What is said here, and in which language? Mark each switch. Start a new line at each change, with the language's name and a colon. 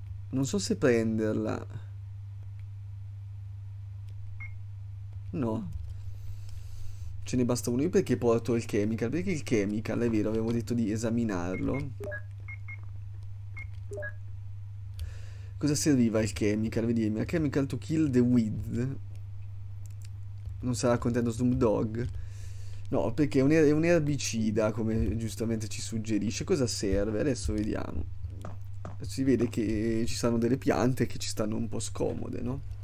Italian: Non so se prenderla. No. Ce ne basta uno. Io perché porto il chemical? Perché il chemical, è vero, avevo detto di esaminarlo. Cosa serviva il chemical? Vedi,
English: a chemical to kill the weed.
Italian: Non sarà contento Snoop Dogg? No, perché è un erbicida, come giustamente ci suggerisce. Cosa serve? Adesso vediamo. Si vede che ci sono delle piante che ci stanno un po' scomode, no?